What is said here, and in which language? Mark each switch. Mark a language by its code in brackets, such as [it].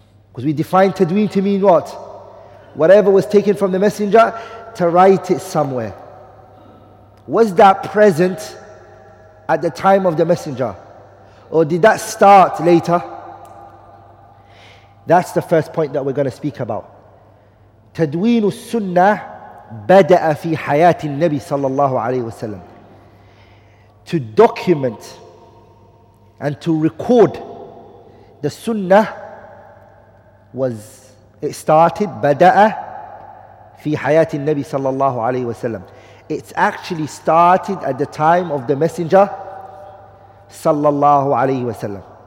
[en] Because we define tadween to mean what? Whatever was taken from the Messenger to write it somewhere. Was that present at the time of the Messenger? Or did that start later? That's the first point that we're going to speak about. [ar] تدوين السنة بدأ في حياة النبي صلى الله عليه وسلم. [en] To document and to record the sunnah was, it started, [ar] بدأ في حياة النبي صلى الله عليه وسلم. [en] it's actually started at the time of the Messenger sallallahu alayhi wa sallam.